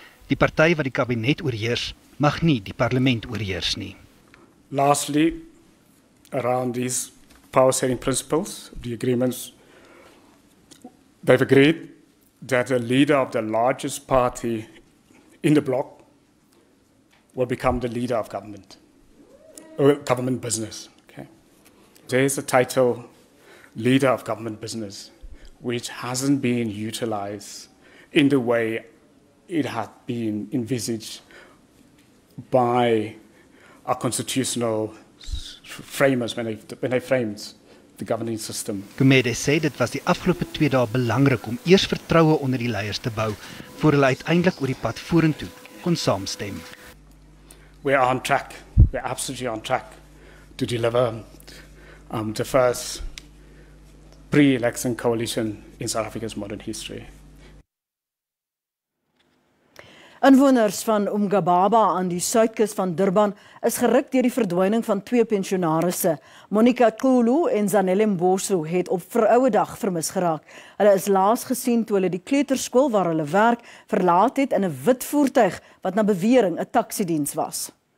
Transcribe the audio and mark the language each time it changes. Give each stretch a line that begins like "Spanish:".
Afrikaans: Die party wat die kabinet oorheers, mag nie die parlement oorheers nie.
English: Lastly, around these power sharing principles, the agreements, they've agreed that the leader of the largest party in the bloc will become the leader of government, or government business. Okay? There's a title, leader of government business, which hasn't been utilized in the way it had been envisaged by our constitutional framers when they framed the governing system.
Afrikaans: Gumede sê dit was die afgelope 2 dae belangrik om eers vertroue onder die leiers te bou voor hulle uiteindelik oor die pad vorentoe kon saamstem.
English: We are on track. We are absolutely on track to deliver the first pre-election coalition in South Africa's modern history.
Afrikaans: Inwoners van Umgababa aan die suidkus van Durban is geruk deur die verdwyning van 2 pensionarisse. Monica Kulu en Zanele Mbosu het op Vrouedag vermis geraak. Hulle is laas gesien toe hulle die kleuterskool waar hulle werk verlaat het in 'n wit voertuig wat na bewering 'n taksiediens was.